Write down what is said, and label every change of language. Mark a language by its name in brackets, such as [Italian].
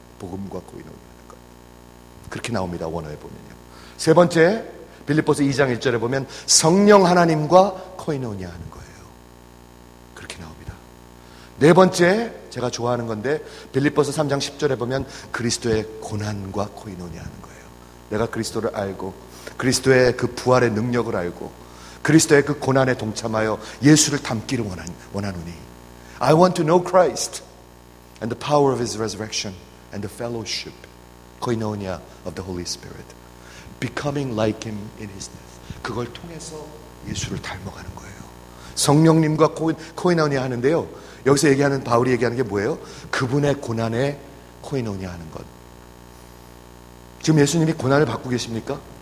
[Korean] 복음과 코이노니아 하는 것. 그렇게 나옵니다, 원어에 보면요. 세 번째, 빌립보서 2장 1절에 보면 성령 하나님과 코이노니아 하는 거예요. 그렇게 나옵니다. 네 번째, 제가 좋아하는 건데 빌립보서 3장 10절에 보면 그리스도의 고난과 코이노니아 하는 거예요. 내가 그리스도를 알고 그리스도의 그 부활의 능력을 알고 그리스도의 그 고난에 동참하여 예수를 닮기를 원하노니 [English] I want to know Christ and the power of his resurrection and the fellowship koinonia of the Holy Spirit becoming like him in his death. [Korean] 그걸 통해서 예수를 닮아가는 거예요. 성령님과 코이노니아 하는데요, 여기서 얘기하는 바울이 얘기하는 게 뭐예요? 그분의 고난에 코이노니아 하는 것. 지금 예수님이 고난을 받고 계십니까?